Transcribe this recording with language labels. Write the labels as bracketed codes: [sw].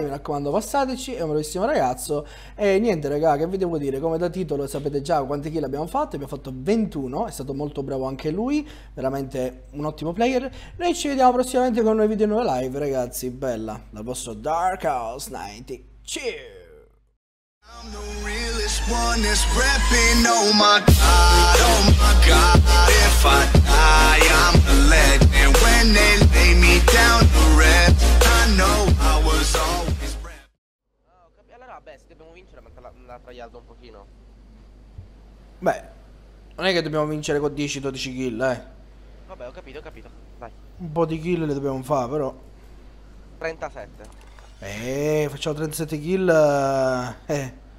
[it] Mi raccomando, passateci. È un bravissimo ragazzo. E niente, raga, che vi devo dire? Come da titolo sapete già quante kill abbiamo fatto. Abbiamo fatto 21. È stato molto bravo anche lui. Veramente un ottimo player. Noi ci vediamo prossimamente con un nuovo video in live, ragazzi. Bella, dal vostro Dark House 90. [en] Cheers! I'm the realest one that's rapping. Oh my God, if I die, I'm a legend. When they lay me down to rest, I know I was always rap. [it] Allora, beh, se dobbiamo vincere, metto la tagliata un pochino. Beh, non è che dobbiamo vincere con 10-12 kill, Vabbè, ho capito, dai. eh. Un po' di kill le dobbiamo fare, 37. però. Facciamo 37 kill.